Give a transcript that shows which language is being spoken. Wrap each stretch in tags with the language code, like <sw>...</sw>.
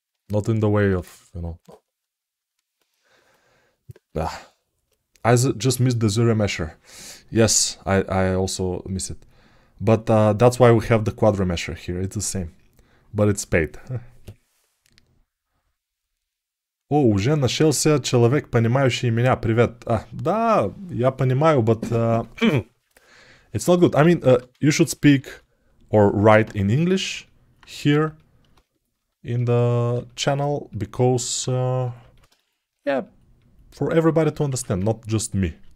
<en>Not in the way of, you know. I just missed the zero measure. Yes, I also miss it. But that's why we have the quadra measure here. It's the same. But it's paid.</en> <ru>О, уже нашелся человек, понимающий меня. Привет. Да, я понимаю,</ru> <en>but it's not good. I mean, you should speak or write in English here. in the channel because, yeah, for everybody to understand, not just me.</en>